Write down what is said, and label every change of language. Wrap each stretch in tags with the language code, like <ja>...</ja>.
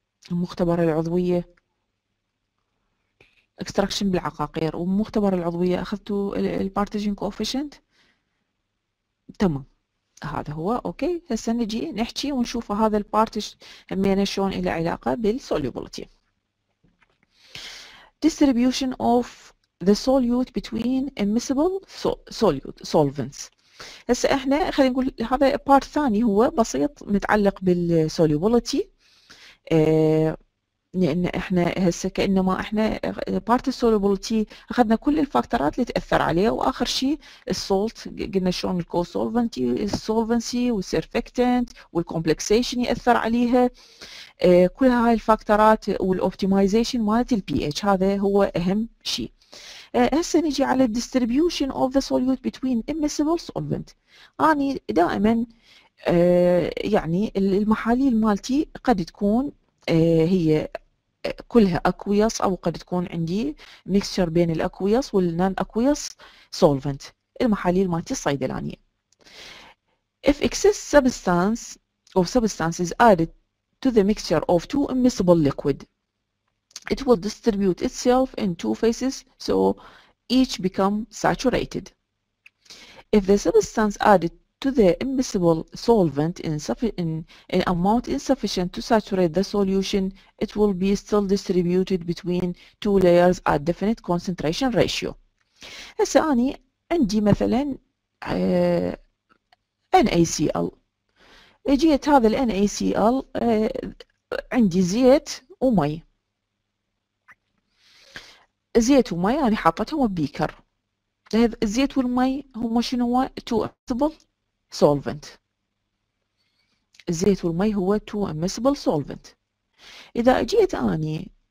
<ar>المختبر العضويه اكستراكشن بالعقاقير والمختبر العضويه اخذته البارتيشن كوفيشنت، تمام هذا هو. اوكي، هسه نجي نحكي ونشوف هذا البارتيشن همينه شلون له علاقه بالسوليبلتي.</ar> <en>Distribution of the solute between immiscible solute solvents.</en> <ar>هسه احنا خلينا نقول هذا بارت ثاني هو بسيط متعلق بالسوليبلتي، لان احنا هسه كانما احنا بارت السوليبلتي اخذنا كل الفاكتورات اللي تاثر عليها، واخر شيء السولت قلنا شلون الكو سولفنتي السولفنسي والسيرفكتنت والكومبلكسيشن ياثر عليها، كل هاي الفاكتورات والاوبتمايزيشن مالت البي اتش هذا هو اهم شيء. هسه نجي على</ar> <en>الديستريبيوشن of the solute between immiscible solvent.</en> <ar>اني دائما يعني المحاليل مالتي قد تكون هي كلها اكويس او قد تكون عندي ميكسشر بين الاكويس والنان اكويس سولفنت المحاليل مالتي الصيدلانيه.</ar> <en>If excess substance or substances added to the mixture of two immiscible liquid it will distribute itself in two phases so each become saturated. If the substance added to the immiscible solvent in amount insufficient to saturate the solution it will be still distributed between two layers at definite concentration ratio.</en> <ar>هسه اني عندي مثلا NaCl، اجيت هذا ال NaCl عندي زيت ومي، زيت ومي انا حطيتهم ببيكر، الزيت والمي هم شنو تو immiscible solvent، الزيت والمي هو two immiscible solvent. إذا أجيت أني</ar>